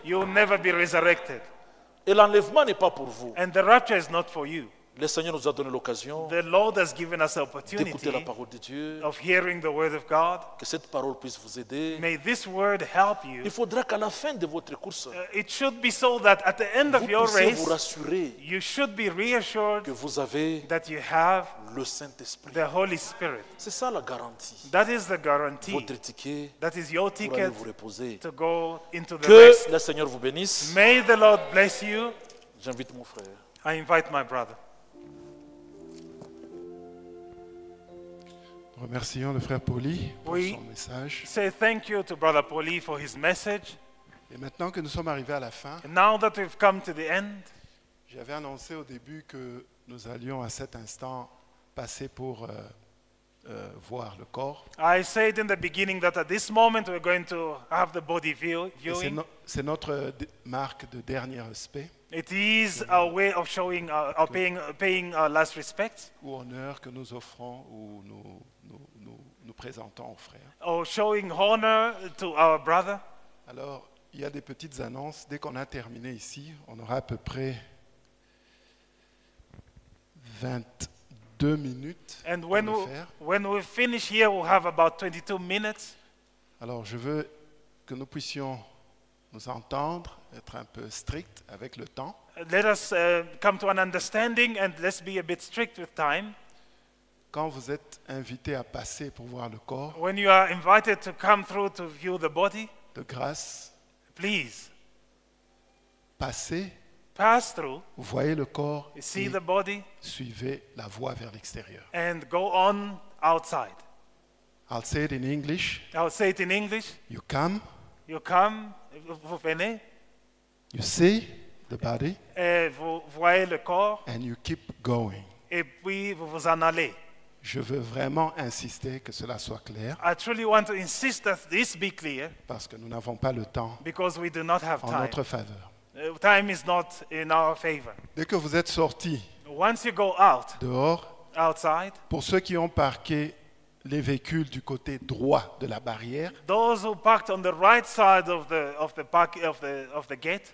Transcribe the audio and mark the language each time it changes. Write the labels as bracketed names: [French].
[English] You'll never be resurrected. [French] Et l'enlèvement n'est pas pour vous. [English] And the rapture is not for you. [French] Le Seigneur nous a donné l'occasion [English] the Lord has given us opportunity [French] d'écouter la parole de Dieu, [English] of hearing the word of God. [French] Que cette parole puisse vous aider. [English] May this word help you. [French] Il faudra qu'à la fin de votre course, [English] it should be so that at the end of your race, [French] vous rassurer, [English] you should be reassured [French] que vous avez [English] that you have [French] le Saint-Esprit. [English] The Holy Spirit. [French] C'est ça la garantie. [English] That is the guarantee. [French] Votre ticket, [English] that is your ticket [French] pour aller vous reposer. [English] To go into the [French] que [English] rest. [French] Le Seigneur vous bénisse. [English] May the Lord bless you. [French] J'invite mon frère. [English] I invite my brother. [French] Remercions le frère Pauli pour son message. [English] We say thank you to Brother Pauli for his message. [French] Et maintenant que nous sommes arrivés à la fin, [English] now that we've come to the end, [French] j'avais annoncé au début que nous allions à cet instant passer pour voir le corps. [English] I said in the beginning that at this moment we're going to have the body viewing. [French] C'est notre marque de dernier respect. [English] It is a way of showing or paying our last respect. [French] Ou honneur que nous offrons ou nous présentons aux frères. [English] Or showing honor to our brother. [French] Alors, il y a des petites annonces. Dès qu'on a terminé ici, on aura à peu près 22 minutes. [English] And when we finish here, we'll have about 22 minutes. [French] Alors, je veux que nous puissions nous entendre, être un peu strict avec le temps. [English] Let us come to an understanding and let's be a bit strict with time. [French] Quand vous êtes invité à passer pour voir le corps, [English] when you are invited to come through to view the body, [French] de grâce, [English] please, [French] passez, [English] pass through, [French] voyez le corps, [English] see et the body, [French] suivez la voie vers l'extérieur. [English] And go on outside. I'll say it in English. I'll say it in English. You come. You come. [French] Vous venez. [English] You see the body. [French] Et vous voyez le corps. [English] And you keep going. [French] Et puis vous vous en allez. Je veux vraiment insister que cela soit clair. [English] I truly want to insist that this be clear. [French] Parce que nous n'avons pas le temps. [English] Because we do not have time. [French] En notre faveur. [English] Time is not in our favor. [French] Dès que vous êtes sorti. [English] Once you go out. [French] Dehors. [English] Outside. [French] Pour ceux qui ont parqué les véhicules du côté droit de la barrière. [English] Those who parked on the right side of the gate.